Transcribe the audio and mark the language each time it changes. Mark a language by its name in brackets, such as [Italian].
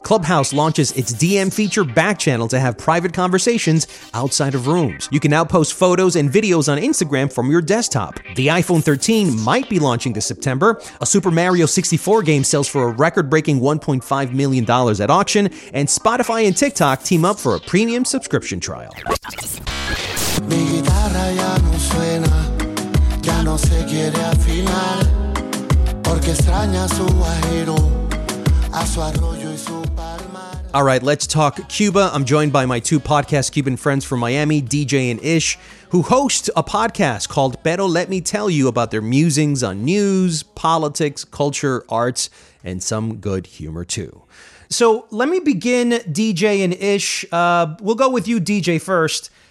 [English] Clubhouse launches its DM feature back channel to have private conversations outside of rooms. You can now post photos and videos on Instagram from your desktop. The iPhone 13 might be launching this September. A Super Mario 64 game sells for a record-breaking $1.5 million at auction, and Spotify and TikTok team up for a premium subscription trial. [Spanish] Mi guitarra ya no suena, ya no se quiere afinar, porque extraña su guajiro, a su arroyo y su palmar. [English] All right, let's talk Cuba. I'm joined by my two podcast Cuban friends from Miami, DJ and Ish, who host a podcast called Pero Let Me Tell You about their musings on news, politics, culture, arts, and some good humor too. So let me begin, DJ and Ish. We'll go with you, DJ, first.